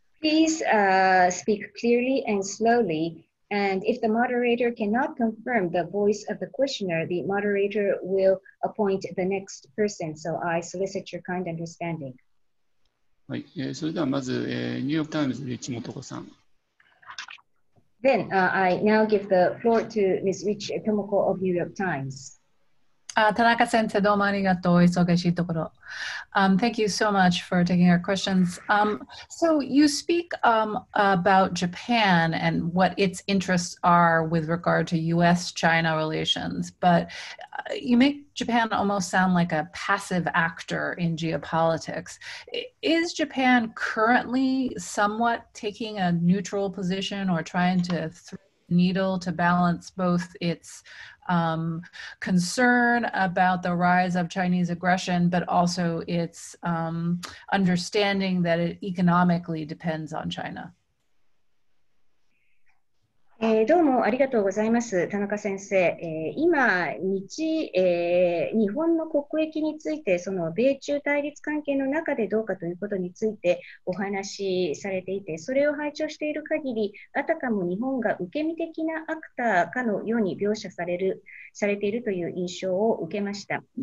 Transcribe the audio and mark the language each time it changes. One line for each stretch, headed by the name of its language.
English: Please, speak clearly and slowly. And if the moderator cannot confirm the voice of the questioner, the moderator will appoint the next person. So I solicit your kind understanding.
Japanese: はい、それではまず、ニューヨークタイムズの市本子さん。
English: Then I now give the floor to Ms. Rich Tomoko of New York Times.
Japanese: Tanaka-sensei, domo arigato, isogashi tokoro.
English: Thank you so much for taking our questions. So you speak about Japan and what its interests are with regard to U.S.-China relations, but you make Japan almost sound like a passive actor in geopolitics. Is Japan currently somewhat taking a neutral position or trying to needle to balance both its concern about the rise of Chinese aggression, but also its understanding that it economically depends on China?
Japanese: どうもありがとうございます、田中先生。今、日本の国益について、その米中対立関係の中でどうかということについてお話しされていて、それを拝聴している限り、あたかも日本が受け身的なアクターかのように描写されているという印象を受けました。